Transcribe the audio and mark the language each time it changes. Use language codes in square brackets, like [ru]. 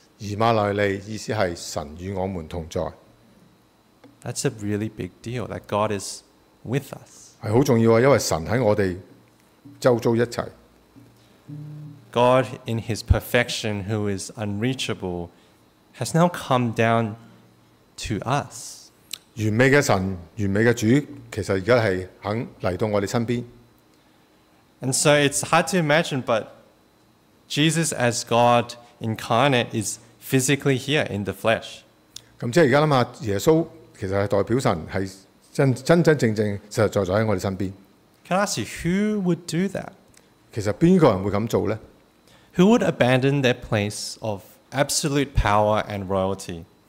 [zh] 以馬內利, 意思是神與我們同在。 [en] That's a really big deal that God is with us. [zh] 是很重要的, 因為神在我們周遭一起。 [en] God in his perfection who is unreachable has now come down to us. [zh] 完美的神, 完美的主, 其實現在是肯來到我們身邊。 [en] And so it's hard to imagine, but Jesus as God incarnate is physically here in the flesh. [zh] 即是現在想想, 耶穌其實是代表神, 是真真正正, 實在在我們身邊。 [en] Can I ask you, who would do that? [zh] 其實誰人會這樣做呢? [en] Who would abandon their place of absolute power and royalty?